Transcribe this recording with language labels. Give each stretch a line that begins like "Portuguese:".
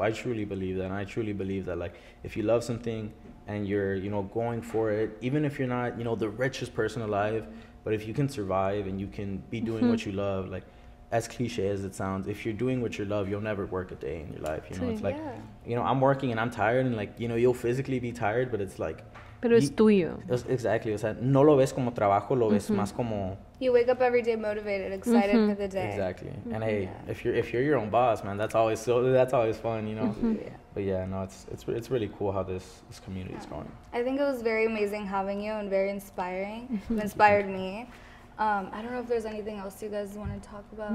English: I truly believe that. And I truly believe that, like, if you love something and you're, you know, going for it, even if you're not, you know, the richest person alive, but if you can survive and you can be doing what you love, like, as cliche as it sounds, if you're doing what you love, you'll never work a day in your life. You know, it's like, you know, I'm working and I'm tired and, like, you know, you'll physically be tired, but it's like,
Spanish: pero es tuyo.
English: Exactly.
Spanish: O sea, no lo ves como trabajo, lo ves más como...
English: You wake up every day motivated, excited for the day. Exactly. And hey, if you're your own boss, man, that's always fun, you know? But yeah, no, it's really cool how this community is going. I think it was very amazing having you and very inspiring. It inspired me. I don't know if there's anything else you guys want to talk about.